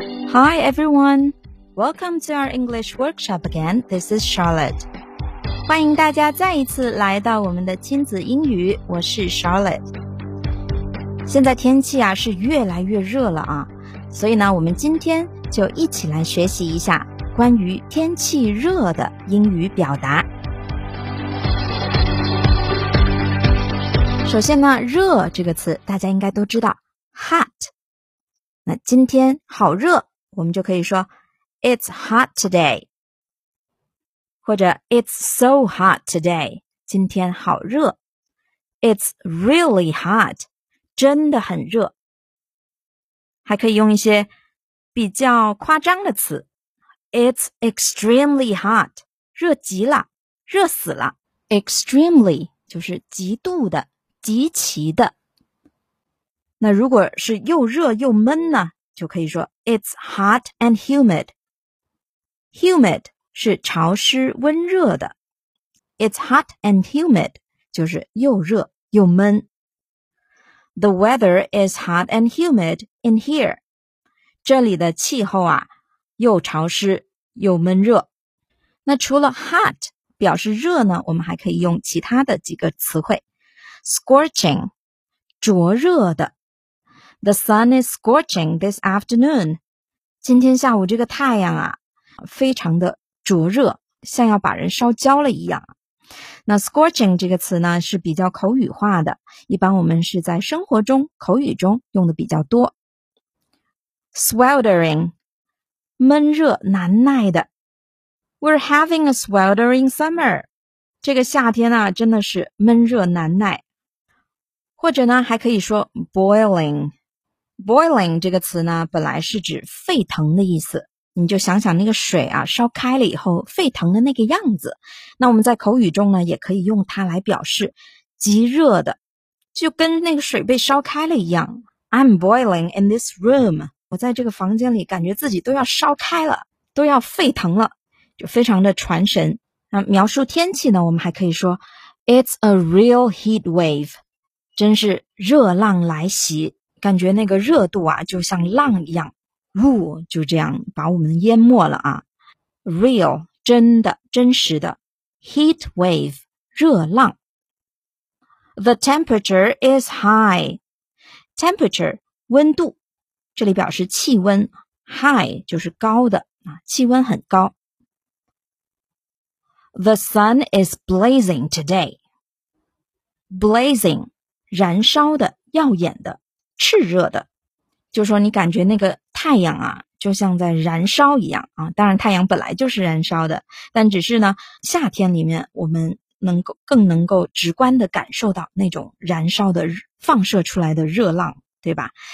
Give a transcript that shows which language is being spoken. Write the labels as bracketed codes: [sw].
[en] Hi everyone, welcome to our English workshop again. This is Charlotte. [zh] 欢迎大家再一次来到我们的亲子英语，我是 Charlotte。现在天气啊是越来越热了啊，所以呢我们今天就一起来学习一下关于天气热的英语表达。首先呢，热这个词大家应该都知道 ，hot。那今天好热，我们就可以说 [en] It's hot today， [zh] 或者 [en] It's so hot today， [zh] 今天好热。 [en] It's really hot， [zh] 真的很热。还可以用一些比较夸张的词 ， [en] It's extremely hot， [zh] 热极了，热死了。 Extremely 就是极度的。极其的。那如果是又热又闷呢，就可以说 [en] It's hot and humid. [zh] Humid 是潮湿温热的。 [en] It's hot and humid [zh] 就是又热又闷。 [en] The weather is hot and humid in here. [zh] 这里的气候啊又潮湿又闷热。那除了 hot 表示热呢，我们还可以用其他的几个词汇。 Scorching, 灼热的。 [en] The sun is scorching this afternoon. [zh] 今天下午这个太阳啊，非常的灼热，像要把人烧焦了一样。那 scorching 这个词呢，是比较口语化的，一般我们是在生活中、口语中用的比较多。 Sweltering, 闷热难耐的。 [en] We're having a sweltering summer. [zh] 这个夏天啊，真的是闷热难耐。或者呢还可以说 boiling。 boiling 这个词呢本来是指沸腾的意思。你就想想那个水啊烧开了以后沸腾的那个样子。那我们在口语中呢也可以用它来表示极热的。就跟那个水被烧开了一样。 [en] I'm boiling in this room. [zh] 我在这个房间里感觉自己都要烧开了，都要沸腾了，就非常的传神。那描述天气呢我们还可以说 [en] It's a real heat wave. [zh] 真是热浪来袭，感觉那个热度啊就像浪一样，呜，就这样把我们淹没了啊。 Real, 真的，真实的。 [en] Heat wave, 热浪。 The temperature is high. [zh] Temperature, 温度。这里表示气温， high 就是高的，气温很高。 [en] The sun is blazing today. Blazing. [zh] 燃烧的耀眼的炽热的，就说你感觉那个太阳啊就像在燃烧一样啊。当然太阳本来就是燃烧的，但只是呢夏天里面我们更能够直观的感受到那种燃烧的放射出来的热浪，对吧？